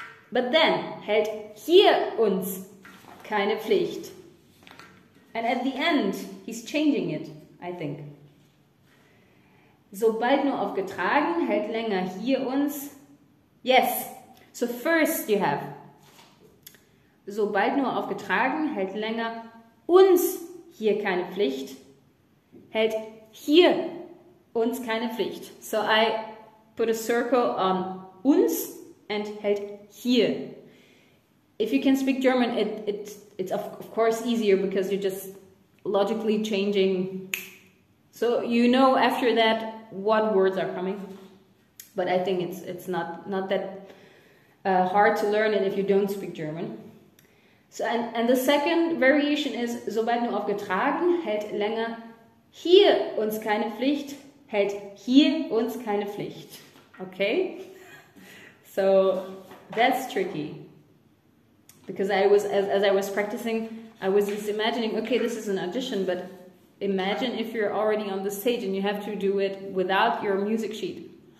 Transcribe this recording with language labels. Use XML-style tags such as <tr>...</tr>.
<en>But then,</en> <de>hält hier uns keine Pflicht.</de> <en>And at the end, he's changing it, I think.</en> <de>Sobald nur aufgetragen, hält länger hier uns,</de> <en>yes. So first you have,</en> <de>sobald nur aufgetragen, hält länger uns hier keine Pflicht, hält hier uns keine Pflicht.</de> <en>So I put a circle on uns and hält hier. If you can speak German, it's of course easier because you're just logically changing. So you know after that what words are coming. But I think it's not that hard to learn it if you don't speak German. So and the second variation is,</en> <de>sobald nur aufgetragen, hält länger hier uns keine Pflicht, hält hier uns keine Pflicht.</de> <en>Okay? So that's tricky. Because I was, as I was practicing, I was just imagining, okay, this is an audition, but imagine if you're already on the stage and you have to do it without your music sheet.</en>